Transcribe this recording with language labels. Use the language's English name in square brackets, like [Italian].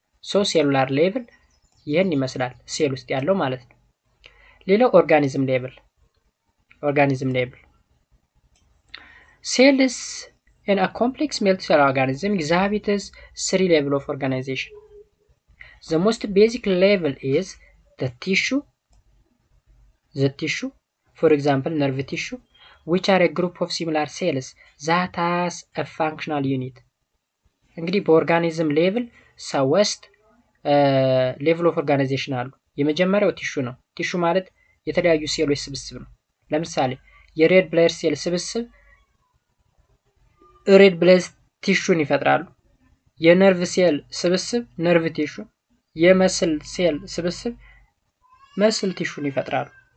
[English] so cellular level ይሄን ይመስላል [Amharic] ሴል ውስጥ ያለው ማለት ነው ሌላው [English] ኦርጋኒዝም ሌቭል ኦርጋኒዝም ሌቭል cells in a complex multicellular organism exhibits three levels of organization. The most basic level is the tissue, for example, nerve tissue, which are a group of similar cells that has a functional unit. [Amharic] እንግዲህ በኦርጋኒዝም ሌቭል ሰውስት level of organization አሉ። የመጀመሪያው ቲሹ ነው። ቲሹ ማለት የተለያዩ ሴሎች ስብስብ ነው። ለምሳሌ የred blood cell ስብስብ red blood tissue ይፈጥራሉ የነርቭ ሴል ስብስብ ነርቭ ቲሹን የመስል ሴል ስብስብ መስል ቲሹን ይፈጥራሉ